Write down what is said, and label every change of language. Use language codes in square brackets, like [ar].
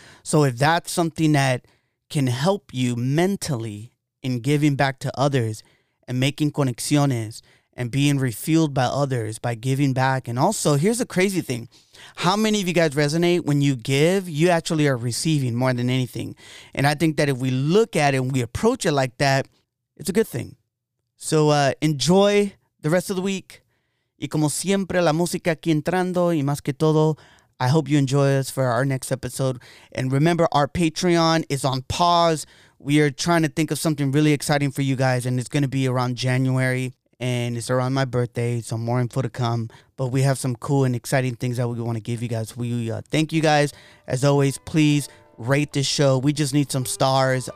[en] So if that's something that can help you mentally in giving back to others and making conexiones and being refueled by others by giving back. And also, here's a crazy thing. How many of you guys resonate when you give? You actually are receiving more than anything. And I think that if we look at it and we approach it like that, it's a good thing. So enjoy the rest of the week. [es] Y como siempre, la música aquí entrando y más que todo, [en] I hope you enjoy us for our next episode. And remember, our Patreon is on pause. We are trying to think of something really exciting for you guys, and it's going to be around January, and it's around my birthday, so more info to come. But we have some cool and exciting things that we want to give you guys. We thank you guys. As always, please rate this show. We just need some stars.